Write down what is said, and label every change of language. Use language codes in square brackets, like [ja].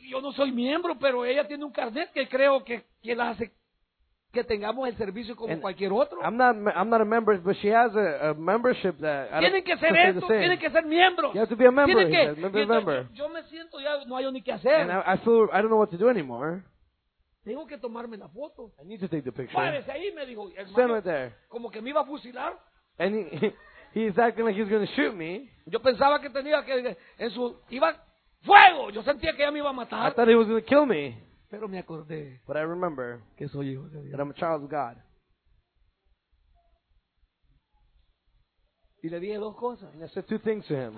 [es] Yo no soy miembro, pero ella tiene un carnet que creo que la hace... que tengamos el servicio como [en] and [es] cualquier otro. [en] I'm not a member, but she has a membership that. [es] Tienen que ser esto, tienen que ser miembros. [en] You have to be a member. Member. [es] Yo me siento ya no hay ni qué hacer. [en] And I feel I don't know what to do anymore. [es] Tengo que tomarme la foto. [en] I need to take the picture. [es] Párese ahí, me dijo. [en] Stand right there. [es] Como que me iba a fusilar. [en] And he's acting like he's going to shoot me. [es] Yo pensaba que tenía que en su iba fuego. Yo sentía que ya me iba a matar. [en] I thought he was going to kill me. [es] Pero me acordé [en] but I remember [es] que soy hijo de Dios. [en] That I'm a child of God. [es] Y le dije dos cosas. [en] And I said two things to him.